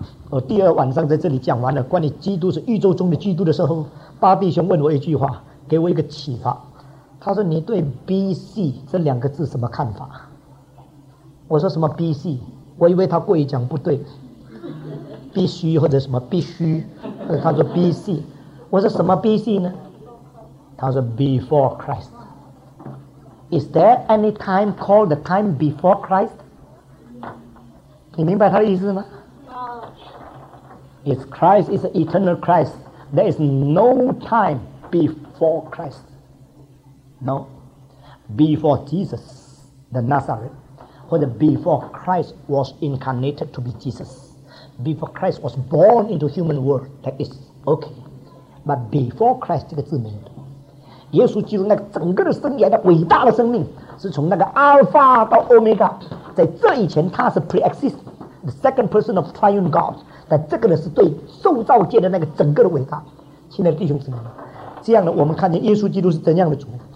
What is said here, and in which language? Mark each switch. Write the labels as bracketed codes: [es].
[zh] 我第二晚上在这里讲完了关于基督是宇宙中的基督的时候，八弟兄问我一句话，给我一个启发，他说你对 BC 这两个字什么看法？我说什么 BC？我以为他故意讲不对，必须或者什么必须，他说 BC， 我说什么 BC 呢？他说 [en] Before Christ。 Is there any time called the time before Christ？ [zh] 你明白他的意思吗？ [en] It's Christ, it's eternal Christ. There is no time before Christ. No. Before Jesus, the Nazareth. Or before Christ was incarnated to be Jesus. Before Christ was born into human world. That is okay. But before Christ [zh] 这个字没有。耶稣基督那个整个的生涯的伟大的生命是从那个 Alpha 到 Omega， 在这以前他是 [en] pre-exist the second person of triune God， [zh] 但这个呢是对受造界的那个整个的伟大。亲爱的弟兄姊妹，这样呢我们看见耶稣基督是怎样的主。